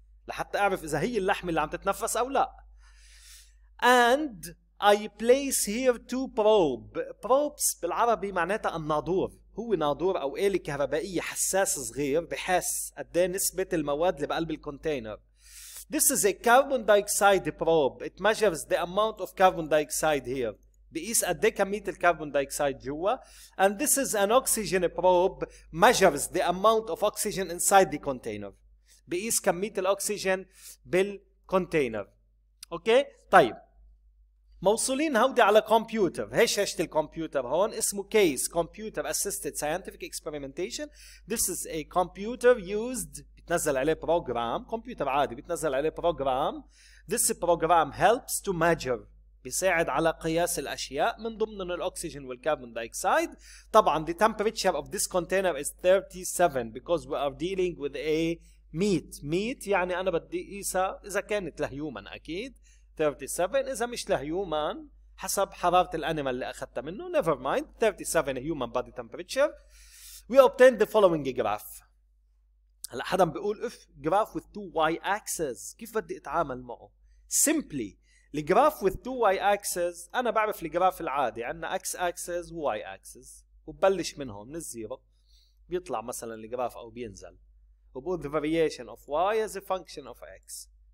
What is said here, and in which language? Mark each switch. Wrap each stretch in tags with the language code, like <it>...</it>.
<ar>لحتى أعرف إذا هي اللحم اللي عم تتنفس أو لا.</ar> <en>And I place here two probes.</en> <ar>Probes بالعربي معناتها الناظور. هو ناظور أو آلة كهربائية حساس صغير بحس قد ايه نسبة المواد اللي بقلب الكونتينر.</ar> <en>This is a carbon dioxide probe. It measures the amount of carbon dioxide here.</en> <ar>بيقيس قد ايه كمية الكربون دايكسيد جوا.</ar> <en>And this is an oxygen probe, measures the amount of oxygen inside the container.</en> <ar>بيقيس كمية الأكسجين بالكونتينر. أوكي؟ طيب. موصولين هودي على كمبيوتر. هي شاشة الكمبيوتر هون اسمه كيس.</ar> <en>Computer Assisted Scientific Experimentation. This is a computer used.</en> <ar>بتنزل عليه بروجرام. كمبيوتر عادي بتنزل عليه بروجرام.</ar> <en>This program helps to measure.</en> <ar>بيساعد على قياس الأشياء من ضمنهم الأكسجين والكربون دايكسيد.</ar> <en>طبعاً the temperature of this container is 37 because we are dealing with a meat.</en> <ar>يعني أنا بدي قيسها إذا كانت لهيومان أكيد 37. إذا مش لهيومان حسب حرارة الأنيمال اللي أخذتها منه</ar> <en>never mind 37 human body temperature. We obtained the following graph.</en> <ar>هلأ حدا بيقول إف</ar> <en>graph with two y-axes</en> <ar>كيف بدي أتعامل معه؟ simply الجراف with two y-axes أنا بعرف الجراف العادي عندنا x-axis و y-axis وببلش من هون من الزيرو بيطلع مثلا الجراف أو بينزل وبقول</ar> <en>the variation of y as a function of x.</en>